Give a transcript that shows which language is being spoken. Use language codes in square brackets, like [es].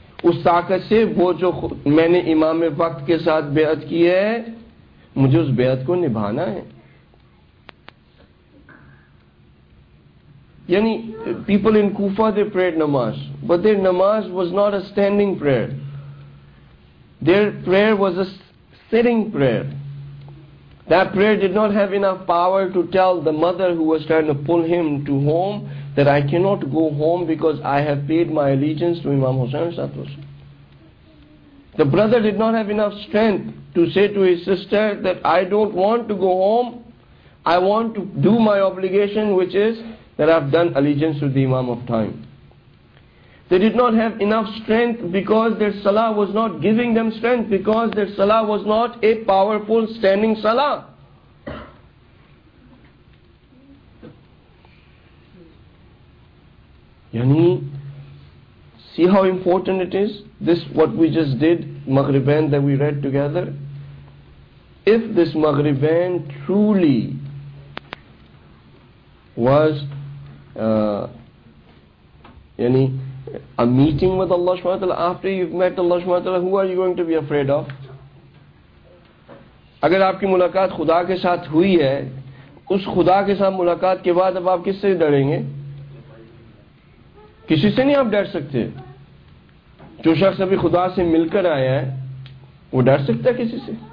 [ur] اس طاقت سے وہ جو میں نے امام وقت کے ساتھ بیعت کی ہے مجھے اس بیعت کو نبھانا ہے. [en] یعنی people in Kufa they prayed namaz, but their namaz was not a standing prayer, their prayer was a sitting prayer. That prayer did not have enough power to tell the mother who was trying to pull him to home that I cannot go home because I have paid my allegiance to Imam Hussain Satwas. The brother did not have enough strength to say to his sister that I don't want to go home, I want to do my obligation, which is that I've done allegiance to the Imam of time. They did not have enough strength because their Salah was not giving them strength, because their Salah was not a powerful standing Salah. Yani, see how important it is, this what we just did, Maghribain that we read together. If this Maghribain truly was yani, a meeting with Allah subhanahu wa ta'ala, after you've met Allah subhanahu wa ta'ala, who are you going to be afraid of? [ur] اگر آپ کی ملاقات خدا کے ساتھ ہوئی ہے اس خدا کے ساتھ ملاقات کے بعد اب آپ کس سے ڈریں گے کسی سے نہیں آپ ڈر سکتے جو شخص ابھی خدا سے مل کر آیا ہے وہ ڈر سکتا ہے کسی سے